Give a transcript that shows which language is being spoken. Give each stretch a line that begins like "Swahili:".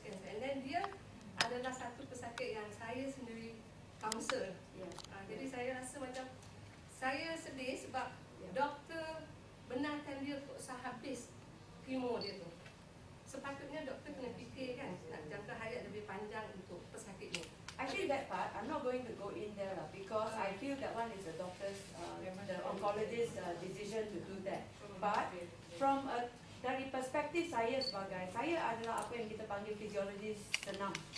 English: And then
Malay: dia adalah satu pesakit yang saya sendiri counsel. Yeah. Jadi saya rasa macam saya sedih sebab doktor benarkan dia untuk usah habis kemo dia tu. Sepatutnya doktor kena fikir kan nak jangka hayat lebih panjang untuk pesakit ni.
English: I think that part, I'm not going to go in there lah because I feel that one is the doctor's, the oncologist's decision to do that. But from a
Malay: dari perspektif saya sebagai, saya adalah apa yang kita panggil fisiologis senam.